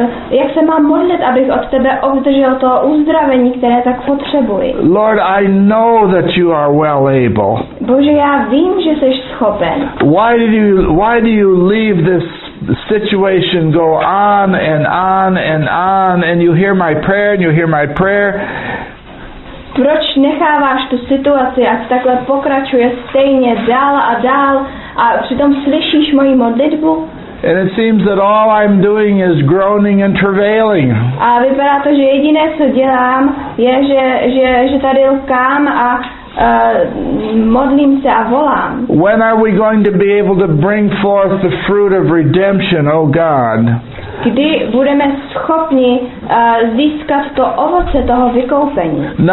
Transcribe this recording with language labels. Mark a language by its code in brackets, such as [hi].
[cs] Jak se mám modlit, abych od tebe obdržel to uzdravení, které tak potřebuji? [en] Lord, I know that you are well able. [cs] Bože, já vím, že jsi schopen. [en] Why do you leave this situation go on and on and on, and you hear my prayer and you hear my prayer. [cs] Proč necháváš tu situaci, ať takhle pokračuje stejně dál a dál, a přitom slyšíš moji modlitbu? [en] And it seems that all I'm doing is groaning and travailing. [cs] A vypadá to, že jediné, co dělám, je, že tady lkám a modlím se a volám. [en] When are we going to be able to bring forth the fruit of redemption, O God? [cs] Kdy budeme schopni získat to ovoce toho vykoupení?